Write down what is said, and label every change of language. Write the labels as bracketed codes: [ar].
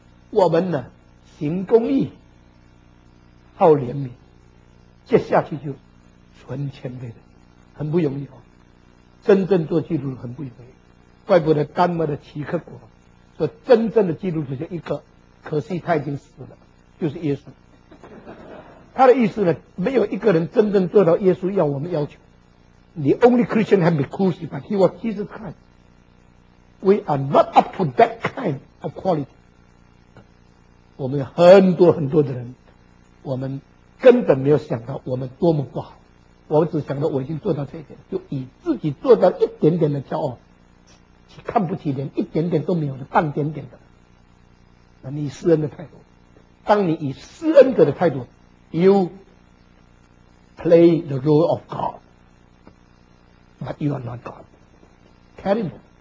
[zh] 我们呢，行公义，好怜悯，接下去就纯谦卑的，很不容易啊。真正做基督徒很不容易，怪不得丹麦的齐克果说，真正的基督徒就一个，可惜他已经死了，就是耶稣。他的意思呢，没有一个人真正做到耶稣要我们要求。 [en] The only Christian have been crucified, he was Jesus Christ. We are not up to that kind of quality. [zh] 我们有很多很多的人，我们根本没有想到我们多么不好，我们只想到我已经做到这一点，就以自己做到一点点的骄傲，看不起连一点点都没有的半点点的。那你施恩的态度，当你以施恩者的态度， [en] You play the role of God, but you are not God. Terrible.